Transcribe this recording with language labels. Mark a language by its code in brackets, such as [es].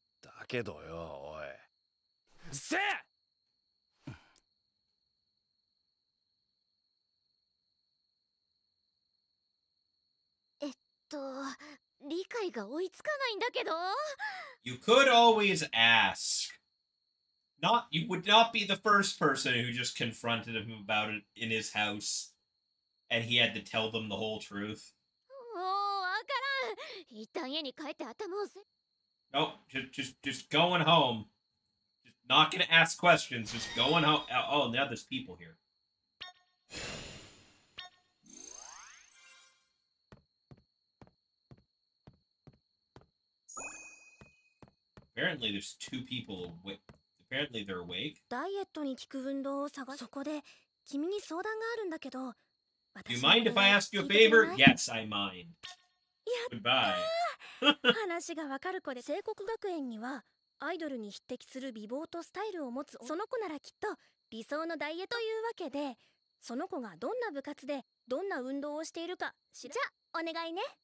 [ja] だけどよ、おい。せえ！理解が追いつかないんだけど。 [en] You could always ask. Not, you would not be the first person who just confronted him about it in his house, and he had to tell them the whole truth. [ja] もうわからん。一旦家に帰って頭を整。 [en] Nope, just going home. Just not gonna ask questions. Just going home. Oh, now there's people here. Apparently there's two people awake. Apparently they're awake. [ja] ダイエットに効く運動を探す。そこで君に相談があるんだけど。 [en] Do you mind if I ask you a favor? Yes, I mind. [ja] やったー。話がわかる子で、聖国学園にはアイドルに匹敵する美貌とスタイルを持つ。その子ならきっと理想のダイエットというわけで、その子がどんな部活でどんな運動をしているか、じゃあお願いね。